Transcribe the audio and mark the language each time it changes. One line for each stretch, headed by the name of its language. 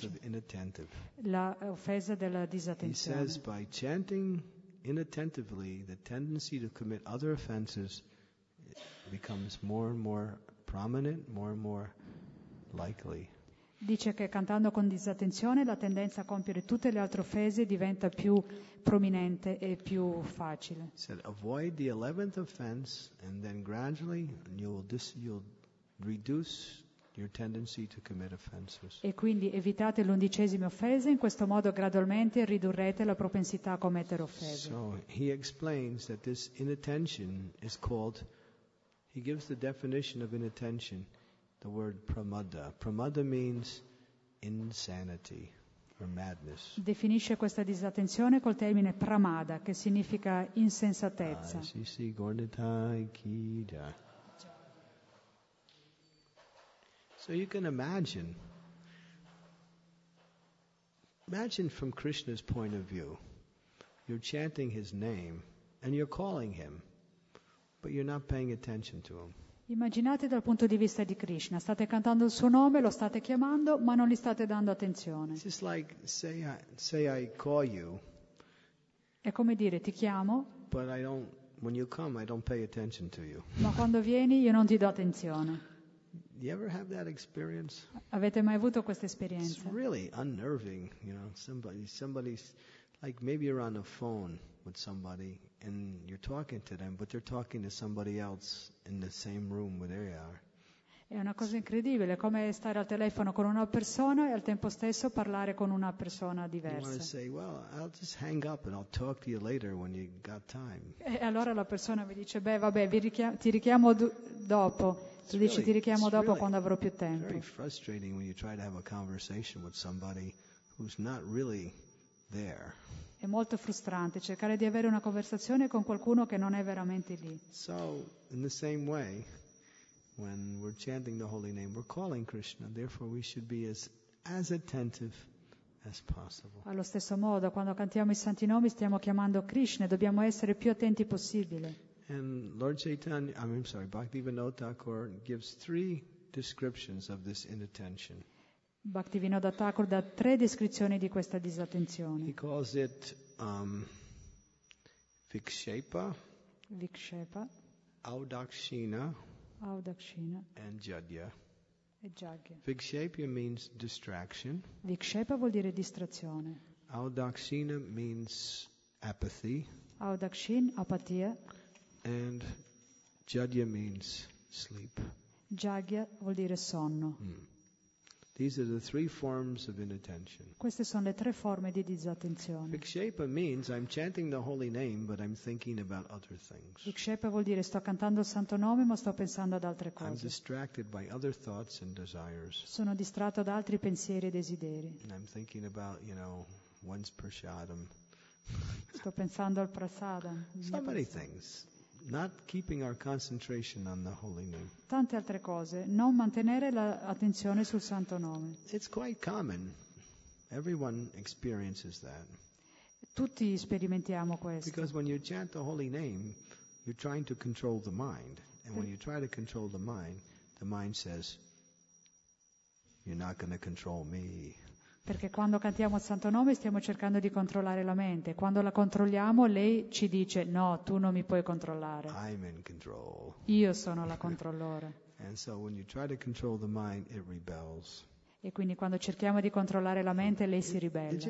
English: The offense of inattentive.
Italian: La offesa della disattenzione.
English: He says by chanting inattentively, the tendency to commit other offenses becomes more and more prominent, more and more likely.
Italian: Dice che cantando con disattenzione la tendenza a compiere tutte le altre offese diventa più prominente e più facile.
English: Said, avoid the 11th offense and then gradually you'll reduce your tendency to commit offenses.
Italian: E quindi evitate l'undicesima offesa, in questo modo gradualmente ridurrete la propensità a commettere offese.
English: So he explains that this inattention is called, he gives the definition of inattention, the word pramada. Pramada means insanity or madness.
Italian: Definisce questa disattenzione col termine pramada, che significa insensatezza. Ah, sì, gornitai kida.
English: So you can imagine from Krishna's point of view, you're chanting his name and you're calling him, but you're not paying attention to him.
Italian: Immaginate dal punto di vista di Krishna, state cantando il suo nome, lo state chiamando, ma non gli state dando attenzione.
English: It's like say I call you.
Italian: È come dire ti chiamo.
English: But I don't, when you come, I don't pay attention to you.
Italian: Ma quando vieni io non ti do attenzione.
English: You ever have that experience?
Italian: Avete mai avuto questa esperienza?
English: It's really unnerving, you know, somebody's like maybe you're on the phone with somebody and you're talking to them, but they're talking to somebody else in the same room where they are.
Italian: È una cosa incredibile, come stare al telefono con una persona e al tempo stesso parlare con una persona diversa.
English: You want to say, well, I'll just hang up and I'll talk to you later when you got time.
Italian: E allora la persona mi dice, vabbè, ti richiamo dopo. Tu dici,
English: really,
Italian: ti richiamo dopo,
English: really,
Italian: quando avrò più tempo.
English: It's very frustrating when you try to have a conversation with somebody who's not really there.
Italian: È molto frustrante cercare di avere una conversazione con qualcuno che non è veramente lì.
English: So, in the same way, when we're chanting the holy name, we're calling Krishna, therefore we should be as attentive as possible.
Italian: Allo stesso modo, quando cantiamo i santi nomi, stiamo chiamando Krishna, dobbiamo essere più attenti possibile.
English: And Lord Chaitanya, Bhaktivinoda Thakur gives 3 descriptions of this inattention.
Italian: Bhaktivinoda Thakur dà 3 descrizioni di questa disattenzione.
English: He calls it vikshepa, audakshina, and jadya.
Italian: E jagya.
English: Vikshepa means distraction.
Italian: Vikshepa vuol dire distrazione.
English: Audakshina means apathy.
Italian: Audakshin, apatia.
English: And jadya means sleep.
Italian: Jagya vuol dire sonno.
English: These are the 3 forms of inattention.
Italian: Queste sono le 3 forme di disattenzione.
English: Vikshepa means I'm chanting the holy name, but I'm thinking about other things.
Italian: Vikshepa vuol dire sto cantando il santo nome, ma sto pensando ad altre cose.
English: I'm distracted by other thoughts and desires.
Italian: Sono distratto da altri pensieri e desideri.
English: And I'm thinking about, you know, one's prasadam.
Italian: Sto pensando al prasadam.
English: So many things. Not keeping our concentration on the holy name.
Italian: Tante altre cose, non mantenere l'attenzione sul santo nome.
English: It's quite common. Everyone experiences that.
Italian: Tutti sperimentiamo questo.
English: Because when you chant the holy name, you're trying to control the mind. And when you try to control the mind says, you're not going to control me.
Italian: Perché quando cantiamo il santo nome stiamo cercando di controllare la mente. Quando la controlliamo lei ci dice, no, tu non mi puoi controllare.
English: I'm in control.
Italian: Io sono la controllore.
English: And so when you try to control the mind, it rebels.
Italian: E quindi quando cerchiamo di controllare la mente lei si ribella.